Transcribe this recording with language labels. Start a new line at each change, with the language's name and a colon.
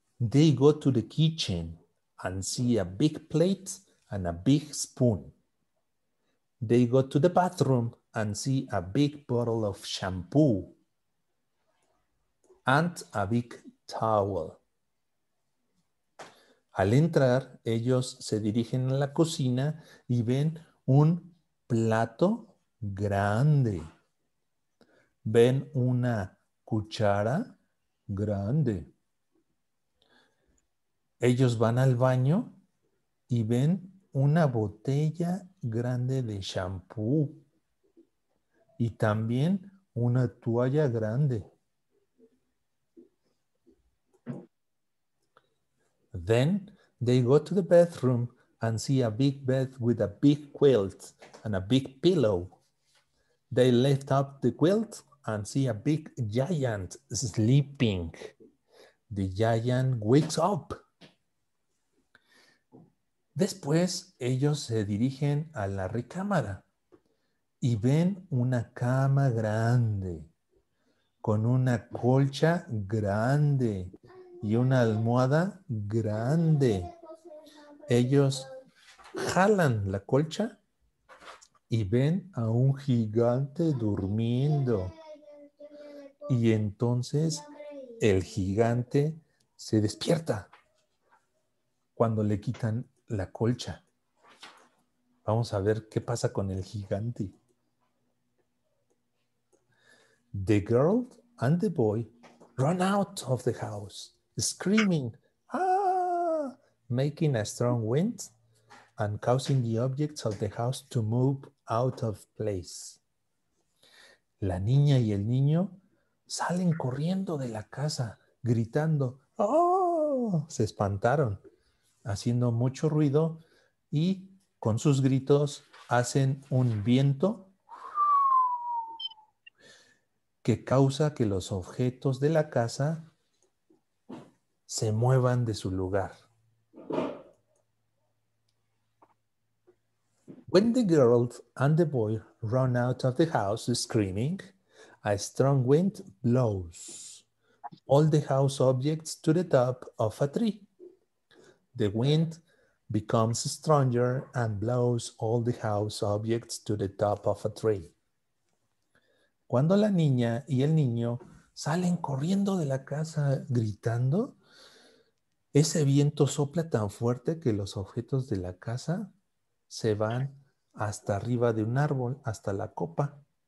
English: They go to the kitchen and see a big plate and a big spoon. They go to the bathroom and see a big bottle of shampoo and a big towel.
Spanish: Al entrar, ellos se dirigen a la cocina y ven un plato grande. Ven una cuchara grande. Ellos van al baño y ven una botella grande de champú y también una toalla grande.
English: Then they go to the bathroom and see a big bed with a big quilt and a big pillow. They lift up the quilt and see a big giant sleeping. The giant wakes up.
Spanish: Después, ellos se dirigen a la recámara y ven una cama grande con una colcha grande y una almohada grande. Ellos jalan la colcha y ven a un gigante durmiendo. Y entonces el gigante se despierta cuando le quitan la colcha. Vamos a ver qué pasa con el gigante.
English: The girl and the boy run out of the house, screaming, ah, making a strong wind and causing the objects of the house to move out of place.
Spanish: La niña y el niño salen corriendo de la casa, gritando, ¡oh! Se espantaron, haciendo mucho ruido y con sus gritos hacen un viento que causa que los objetos de la casa se muevan de su lugar.
English: When the girl and the boy run out of the house screaming, a strong wind blows, all the house objects to the top of a tree. The wind becomes stronger and blows all the house objects to the top of a tree.
Spanish: Cuando la niña y el niño salen corriendo de la casa gritando, ese viento sopla tan fuerte que los objetos de la casa se van hasta arriba de un árbol, hasta la copa.